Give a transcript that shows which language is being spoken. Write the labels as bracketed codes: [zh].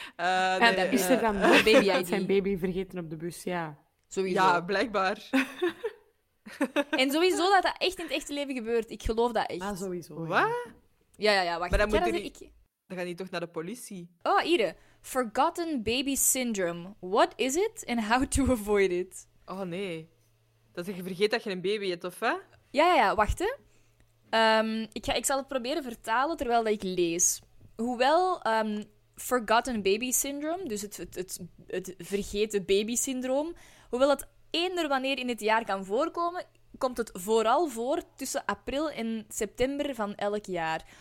[nl] Dat is er dan nog. Baby ID. Zijn baby vergeten op de bus, ja. Sowieso. Ja, blijkbaar. En sowieso dat dat echt in het echte leven gebeurt. Ik geloof dat echt. Ah, sowieso. Wat? Ja, wacht. Maar dan moet dan gaat hij toch naar de politie. [en] Oh, Ire. Forgotten baby syndrome. What is it and how to avoid it? [nl] Oh, nee. Dat je vergeet dat je een baby hebt, of hè? Ja, wacht. Hè. Ik zal het proberen vertalen terwijl ik lees. Hoewel forgotten baby syndrome, dus het vergeten baby syndroom, hoewel het eender wanneer in het jaar kan voorkomen, komt het vooral voor tussen april en september van elk jaar.